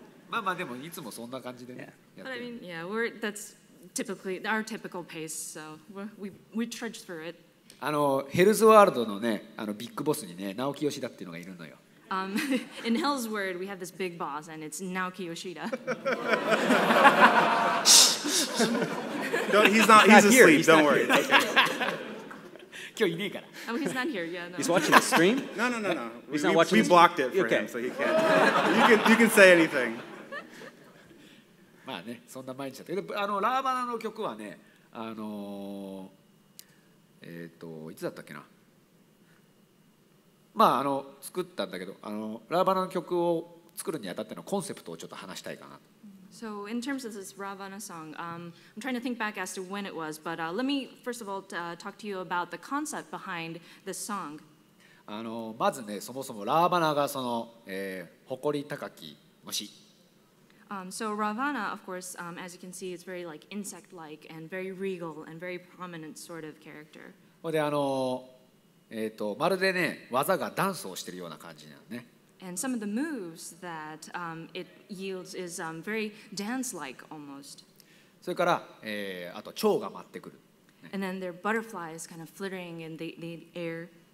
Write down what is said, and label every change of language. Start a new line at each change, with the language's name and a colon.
Japanese: まあまあでもいつもそんな感じでね。
English: Yeah. But I mean, yeah, that's typically our typical pace, so we trudge through it.
Japanese: あの Hell's World のね、あのビッグボスにね、直木義だっていうのがいるのよ。
English: In Hell's Word, we have this big boss, and it's Naoki Yoshida. He's not here. Asleep. Don't worry. Okay. Oh, he's not here. Yeah, no. He's watching the stream? No. He's not watching. We blocked it for him, so he can't. You can say anything.
Japanese: まあね、そんな毎日だったけど、あのラーバナの曲はね、あのいつだったっけな。まあ、あの作ったんだけど、あのラーバナの曲を作るにあたってのコンセプトをちょっと話したいかな。
English: So in terms of this Ravana song, I'm trying to think back as to when it was, but let me first of all talk to you about the concept behind this song.
Japanese: あのまずね、そもそもラーバナがその、誇り高き虫。
English: So Ravana, of course, as you can see, it's very like insect-like and very regal and very prominent sort of character.
Japanese: であのまるでね、技がダンスをしているような感じなのね。
English: And some of the moves that it yields is very dance-like almost.
Japanese: それから、あと蝶が舞ってくる。
English: And then there are butterflies kind of flittering in the air.